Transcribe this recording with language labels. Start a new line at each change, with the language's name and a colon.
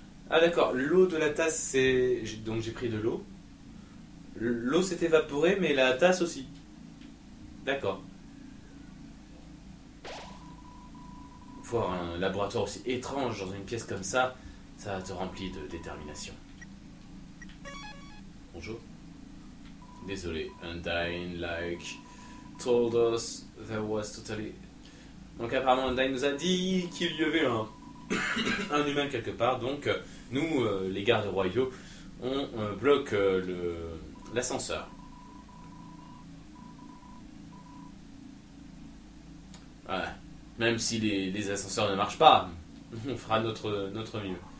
French: Ah d'accord, l'eau de la tasse, c'est... Donc j'ai pris de l'eau. L'eau s'est évaporée, mais la tasse aussi. D'accord. Un laboratoire aussi étrange dans une pièce comme ça, ça te remplit de détermination. Bonjour. Désolé,
English: Undyne, like, told us there was totally...
French: Donc apparemment, Undyne nous a dit qu'il y avait un, un humain quelque part, donc nous, les gardes royaux, on bloque l'ascenseur. Voilà. Même si les ascenseurs ne marchent pas, on fera notre mieux.